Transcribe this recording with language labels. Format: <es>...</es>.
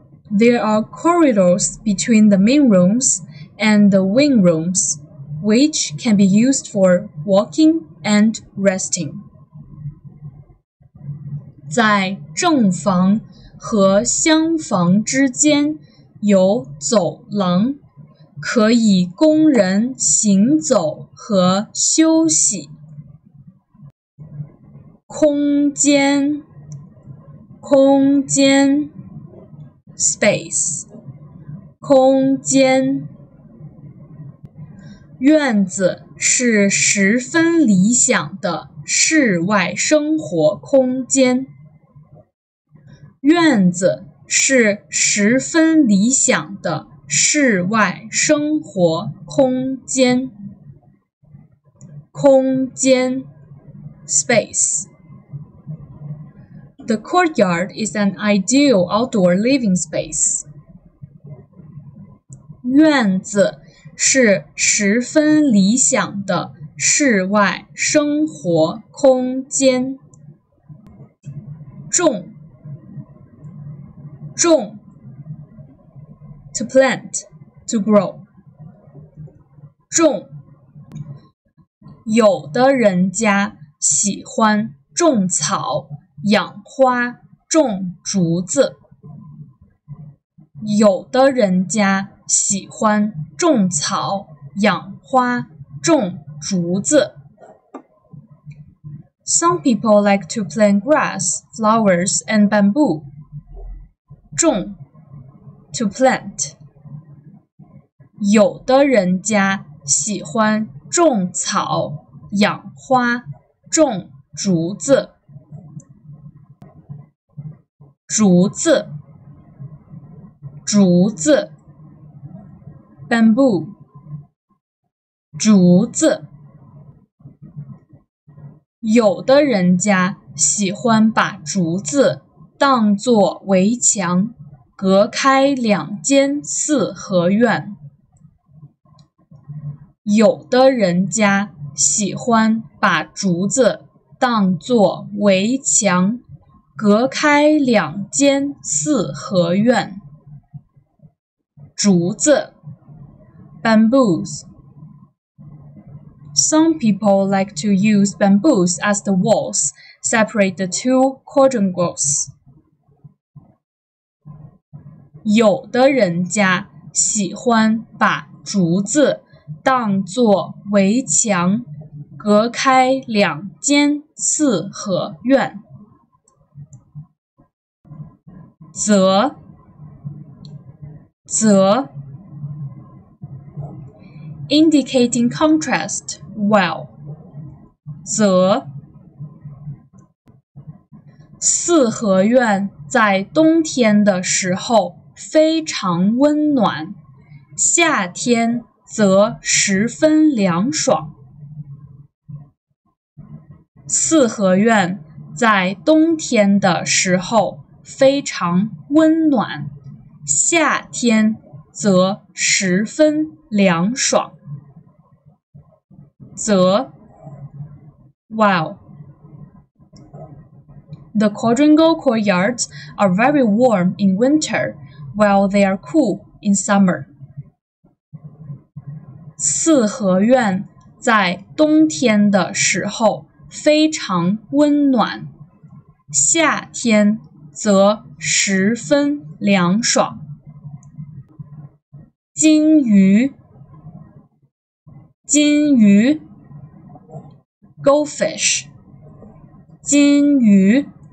<en>There are corridors between the main rooms and the wing rooms, which can be used for walking and resting.</en> <zh>在正房和厢房之间有走廊，可以供人行走和休息。空间，空间</zh> <en>，space，</en> <zh>空间。院子是十分理想的室外生活空间。院子是十分理想的室外生活空间。空间</zh> <en>,space. The courtyard is an ideal outdoor living space.</en> <zh>院子是十分理想的室外生活空间。种，种</zh> <en>,to plant, to grow.</en> <zh>种，有的人家喜欢种草、养花、种竹子。有的人家喜欢种草、养花、种竹子。</zh> <en>Some people like to plant grass, flowers, and bamboo.</en> <zh>种</zh> <en>,to plant.</en> <zh>有的人家喜欢种草、养花、种竹子。竹子，竹子。</zh> <en>Bamboo.</en> <zh>竹子。有的人家喜欢把竹子当作围墙，隔开两间四合院。有的人家喜欢把竹子当作围墙，隔开两间四合院。竹子 bamboos.</zh> <en>Some people like to use bamboos as the walls separate the two quadrangles.</en> <zh>有的人家喜欢把竹子当作围墙，隔开两间四合院。则</zh> <en>indicating contrast, well,</en> <zh>则四合院在冬天的时候非常温暖，夏天则十分凉爽。四合院在冬天的时候非常温暖，夏天则十分凉爽。</zh> <en>则 while The quadrangle courtyards are very warm in winter, while they are cool in summer.</en> <zh>四合院在冬天的时候非常温暖，夏天则十分凉爽。金鱼 Goldfish 金鱼。</zh>